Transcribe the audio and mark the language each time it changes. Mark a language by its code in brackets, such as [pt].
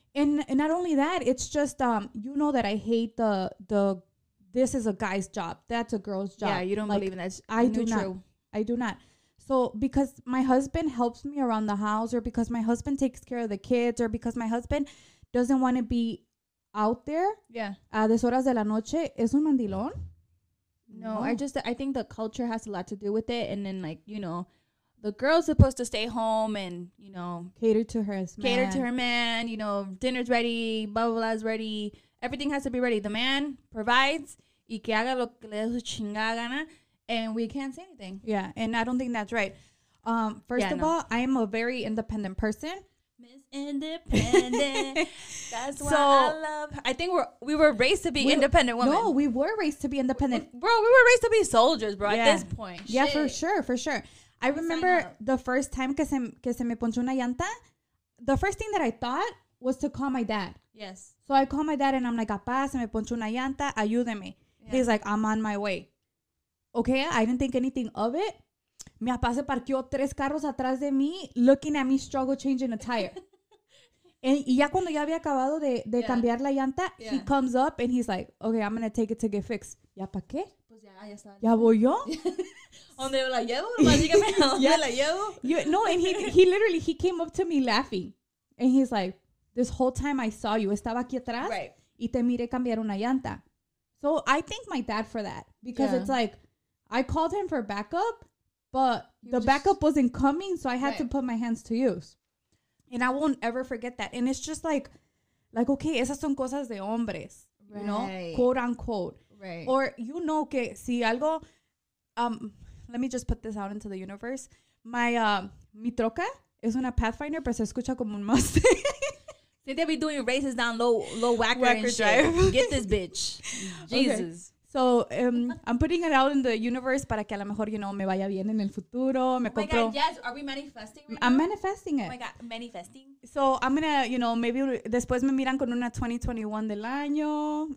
[en] And not only that, it's just you know that I hate the this is a guy's job. That's a girl's job. Yeah, you don't like, believe in that. I do not. So because my husband helps me around the house or because my husband takes care of the kids or because my husband doesn't want to be out there. Yeah. [es] A deshoras de la noche es un mandilón. [en] No, no, I think the culture has a lot to do with it. And then, like, you know, the girl's supposed to stay home and, you know, cater to her man, you know, dinner's ready, blah, blah, blah is ready. Everything has to be ready. The man provides, [es] y que haga lo que le da su chingada gana, [en] and we can't say anything. Yeah, and I don't think that's right. First of all, I am a very independent person. Miss Independent. That's so, why I love. I think we were raised to be independent women. No, we were raised to be independent. We were raised to be soldiers, bro, yeah. At this point. Yeah, shit. For sure. I remember the first time [es] que se me ponchó una llanta, [en] the first thing that I thought was to call my dad. Yes. So I call my dad and I'm like, [es] apá, se me ponchó una llanta, ayúdeme. [en] Yeah. He's like, I'm on my way. Okay, I didn't think anything of it. [es] Mi apá se parqueó tres carros atrás de mí, [en] looking at me struggle changing a tire. [es] Y ya cuando ya había acabado de yeah. cambiar la llanta, yeah. [en] he comes up and he's like, okay, I'm going to take it to get fixed. [es] ¿Ya para qué? Pues ya, ya está. ¿Ya voy yo? ¿Dónde la llevo? Dígame, ¿dónde yeah. la llevo? [en] You, no, and he literally came up to me laughing. And he's like, this whole time I saw you, [es] estaba aquí atrás. [en] Right. [es] Y te miré cambiar una llanta. [en] So I thank my dad for that. Because yeah. it's like, I called him for backup. But the backup wasn't coming, so I had to put my hands to use. And I won't ever forget that. And it's just like, okay, [es] esas son cosas de hombres, [en] right. you know, quote unquote. Right. Or, you know, [es] que si algo, [en] let me just put this out into the universe. [es] My, mi troca es una Pathfinder, pero se escucha como un Mustang. [en] They'll be doing races down low whacker and shit. Get this bitch. Jesus. Okay. So I'm putting it out in the universe [es] para que a lo mejor, [en] you know, [es] me vaya bien en el futuro. Me [en] oh my [es] compro. [en] God, yes. Are we manifesting right I'm now? Manifesting it. Oh my God, manifesting. So I'm going to, you know, maybe [es] después me miran con una 2021 del año.